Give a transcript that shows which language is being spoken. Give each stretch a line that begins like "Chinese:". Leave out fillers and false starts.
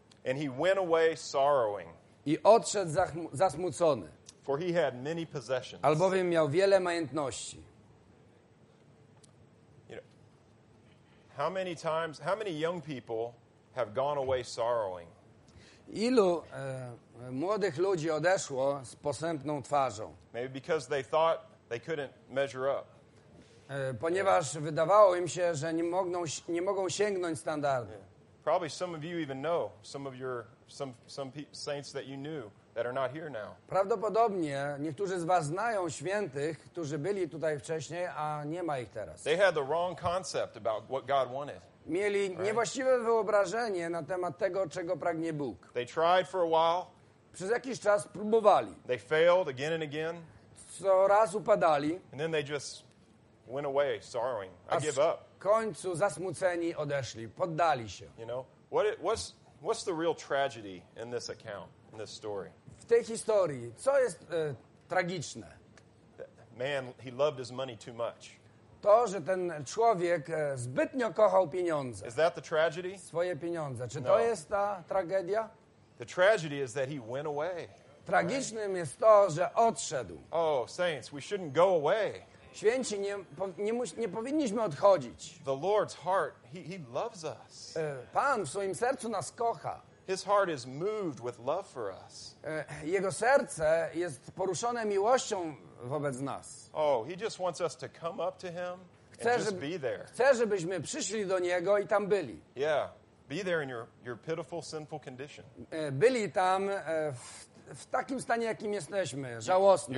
English: And he went away sorrowing.
Polish: I odszedł zasmucony.
English: For he had many possessions.
Polish: Albowiem miał wiele majątności.
English: You know, how many young people have gone away sorrowing?
Polish: Ilu młodych ludzi odeszło z posępną twarzą?
English: Maybe because they thought they couldn't measure up.
Polish: Ponieważ wydawało im się, że nie mogą sięgnąć standardu.
English: Yeah. Probably some of you even know some saints that you knew that are not here now.
Polish: Prawdopodobnie niektórzy z was znają świętych, którzy byli tutaj wcześniej, a nie ma ich teraz.
English: They had the wrong concept about what God wanted.
Polish: Mieli niewłaściwe wyobrażenie na temat tego, czego pragnie Bóg.
English: They tried for a while.
Polish: Przez jakiś czas próbowali.
English: They failed again and again.
Polish: Co raz upadali.
English: And then they just went away sorrowing. I give up.
Polish: W końcu zasmuceni odeszli, poddali się.
English: You know, what's the real tragedy in this account, in this story?
Polish: W tej historii, co jest tragiczne?
English: Man, he loved his money too much.
Polish: To, że ten człowiek zbytnio kochał pieniądze.
English: Is that the tragedy?
Polish: Swoje pieniądze. Czy to jest ta tragedia?
English: The tragedy is that he went away.
Polish: Tragicznym jest to, że odszedł.
English: Oh, saints, we shouldn't go away.
Polish: Święci, nie powinniśmy odchodzić.
English: The Lord's heart, he loves us.
Polish: Pan w swoim sercu nas kocha.
English: His heart is moved with love for us.
Polish: Jego serce jest poruszone miłością wobec nas.
English: Oh, he just wants us to come up to him and just be there.
Polish: Chce, żebyśmy przyszli do niego i tam byli.
English: Yeah, be there in your pitiful, sinful condition.
Polish: Byli tam w takim stanie, jakim jesteśmy, żałosnym.